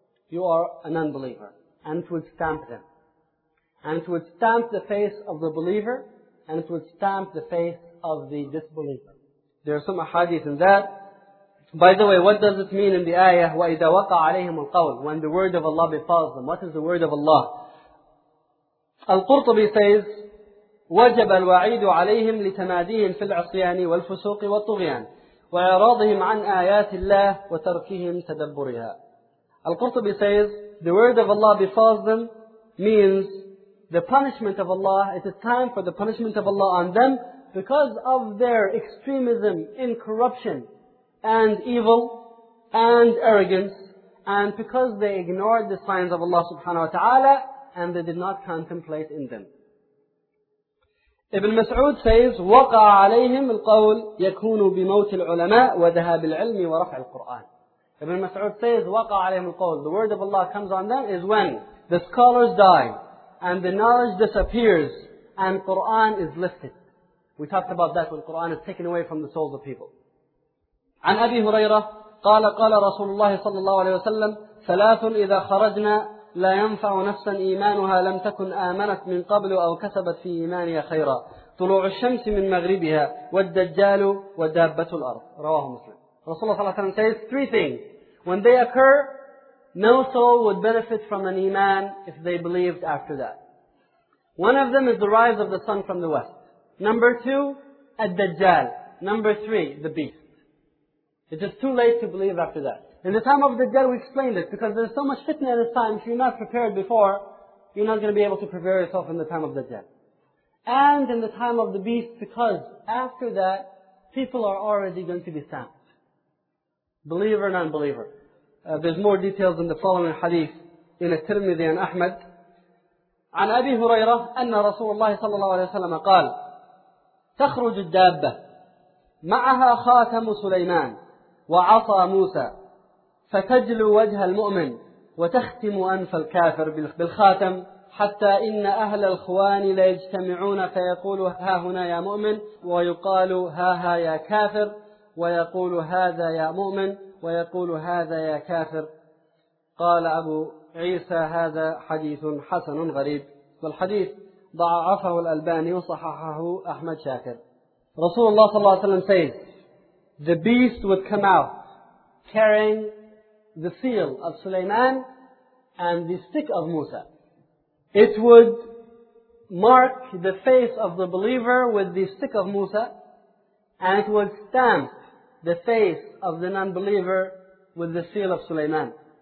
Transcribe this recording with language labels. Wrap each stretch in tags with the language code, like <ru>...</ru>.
<en>You are an unbeliever. And it would stamp them. And it would stamp the face of the believer. And it would stamp the face of the disbeliever. There are some ahadith in that. By the way, what does it mean in the ayah, وَإِذَا وَقَعَ عَلَيْهِمُ الْقَوْلِ, when the word of Allah befalls them? What is the word of Allah?</en> <ar>Al-Qurtubi says, وَجَبَ الْوَعِيدُ عَلَيْهِمْ لِتَمَادِيهِمْ فِي الْعُصْيَانِ وَالْفُسُوقِ وَالطُّغْيَانِ وَإِعْرَاضِهِمْ عَنْ آيَاتِ اللَّهِ وَتَرْكِهِمْ تَدَبُّرِهَا.</ar> <en>Al-Qurtubi says, the word of Allah befalls them means the punishment of Allah, it is time for the punishment of Allah on them because of their extremism in corruption and evil and arrogance, and because they ignored the signs of Allah subhanahu wa ta'ala and they did not contemplate in them.</en> <ar>Ibn Mas'ud says, وَقَعَ عَلَيْهِمْ الْقَوْلِ يَكُونُ بِمَوْتِ الْعُلَمَاءِ وَذَهَابِ الْعِلْمِ وَرَفْعِ الْقُرْآنِ.</ar> <en>Ibn Mas'ud says, وَقَعَ عَلَيْهِمُ الْقَوْلِ, the word of Allah comes on them is when the scholars die and the knowledge disappears and Qur'an is lifted. We talked about that when Qur'an is taken away from the souls of people.</en> <ar>عن أبي هريرة قال قال رسول الله صلى الله عليه وسلم ثلاث إذا خرجنا لا ينفع نفسا إيمانها لم تكن آمنت من قبل أو كسبت في إيمانها خيرا طلوع الشمس من مغربها والدجال ودابة الأرض. رواه مسلم. رسول الله صلى الله عليه وسلم says three things.</ar> <en>When they occur, no soul would benefit from an iman if they believed after that. One of them is the rise of the sun from the west. Number two, الدجال. Number three, the beast. It is too late to believe after that. In the time of the Dajjal, we explained it, because there's so much fitna at this time, if you're not prepared before, you're not going to be able to prepare yourself in the time of the Dajjal. And in the time of the beast, because after that, people are already going to be stamped. Believer, non-believer. There's more details in the following hadith, in At-Tirmidhi and Ahmad.</en> <ar>عن أبي هريرة أن رسول الله صلى الله عليه وسلم قال تخرج الدابة معها خاتم سليمان وعصى موسى فتجلو وجه المؤمن وتختم أنف الكافر بالخاتم حتى إن أهل الخوان ليجتمعون فيقول ها هنا يا مؤمن ويقال ها يا كافر ويقول هذا يا مؤمن ويقول هذا يا كافر. قال أبو عيسى هذا حديث حسن غريب. والحديث ضعفه الألباني وصححه أحمد شاكر.</ar> <en>رسول الله صلى الله عليه وسلم says, the beast would come out carrying the seal of Sulaiman and the stick of Musa. It would mark the face of the believer with the stick of Musa, and it would stamp the face of the non-believer with the seal of Sulaiman.</en>